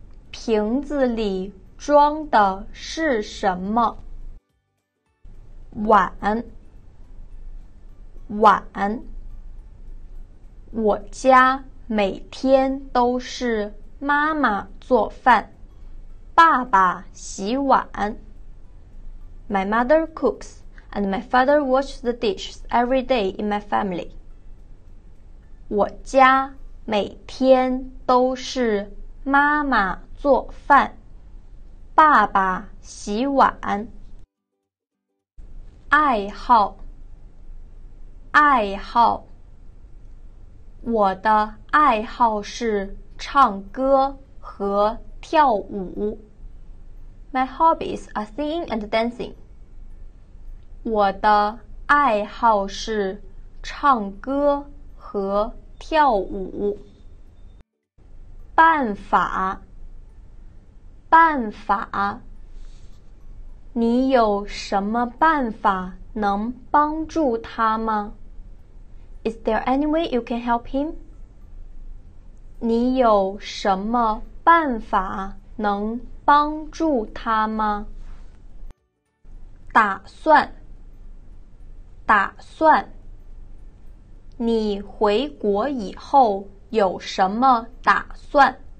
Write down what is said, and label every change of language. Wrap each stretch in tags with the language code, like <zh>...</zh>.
<zh>瓶子里装的是什么？碗，碗，我家每天都是妈妈做饭，爸爸洗碗。</zh> <en>My mother cooks, and my father washes the dishes every day in my family.</en> <zh>我家每天都是妈妈做饭，爸爸洗碗。爱好，爱好，我的爱好是唱歌和跳舞。</zh> <en>My hobbies are singing and dancing.</en> <zh>我的爱好是唱歌和跳舞。办法，办法，你有什么办法能帮助他吗？</zh> <en>Is there any way you can help him?</en> <zh>你有什么办法能帮助他吗？打算，打算，你回国以后有什么打算？</zh>